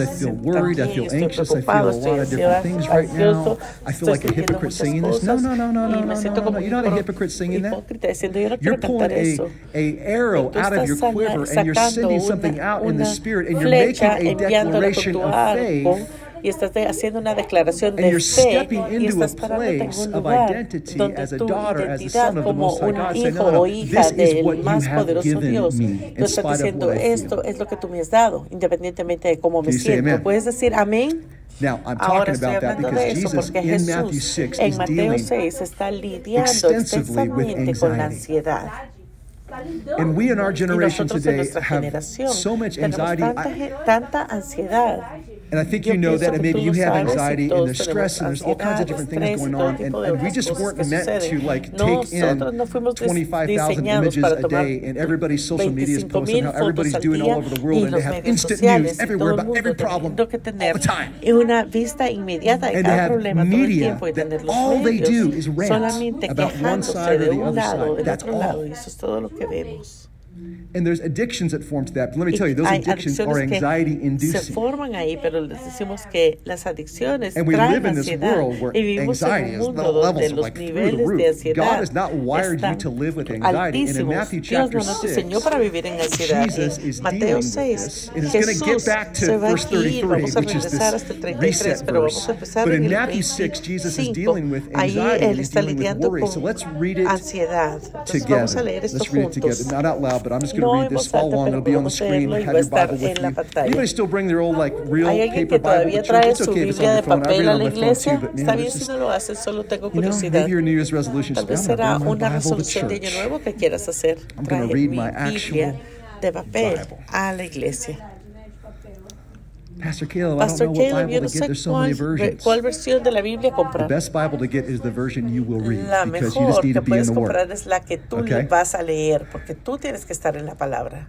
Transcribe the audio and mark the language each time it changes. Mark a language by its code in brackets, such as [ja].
[en] I feel worried. I feel anxious. I feel a lot of different things right now. I feel like a hypocrite singing this. No. You're not a hypocrite singing that. You're pulling a arrow out of your quiver, and you're sending something out in the spirit, and you're making a declaration of faith. [es] Y estás haciendo una declaración de fe y estás parándote en un lugar donde tu identidad como un hijo o hija del más poderoso Dios. Tú estás diciendo, esto es lo que tú me has dado, independientemente de cómo me siento. ¿Puedes decir amén? [en] Now, I'm talking about that because Jesus, in Matthew 6, is dealing extensively with anxiety. And we in our generation today have so much anxiety. And I think you know that, and maybe you have anxiety, and there's stress, and there's all kinds of different things going on, and we just weren't meant to, like, take in 25,000 images a day, and everybody's social media is posting how everybody's doing all over the world, and they have instant news everywhere about every problem all the time. And they have media that all they do is rant about one side or the other side. That's all. And there's addictions that form to that. But let me tell you, those addictions are anxiety inducing. [es] Se forman ahí, pero les decimos que las adicciones traen ansiedad. [en] And we live in this world where anxiety is the levels of like through the roof. God has not wired you to live with anxiety. And in Matthew chapter 6, Jesus is dealing with this. And it's going to get back to verse 33, which is this reset verse. But in Matthew 6, Jesus is dealing with anxiety. He's dealing with worry. So let's read it together. Let's read it together. Not out loud. but I'm just going to read this all along. It'll be on the screen. Have your Bible with you. Anybody still bring their old, like, real paper Bible to church? It's okay if it's on your phone. I read it on my phone, too. But, man, it's just, you know, maybe your New Year's resolution is to bring my Bible to church. I'm going to read my actual Bible. Pastor Caleb, I don't know what Bible to get. There's so many versions. [es] ¿Cuál versión de la Biblia comprar? [en] The best Bible to get is the version you will read. [es] La mejor [en] because you just need [es] que [en] to be in the Word. [es] Es la que tú okay? vas a leer, porque tú tienes que estar en la palabra.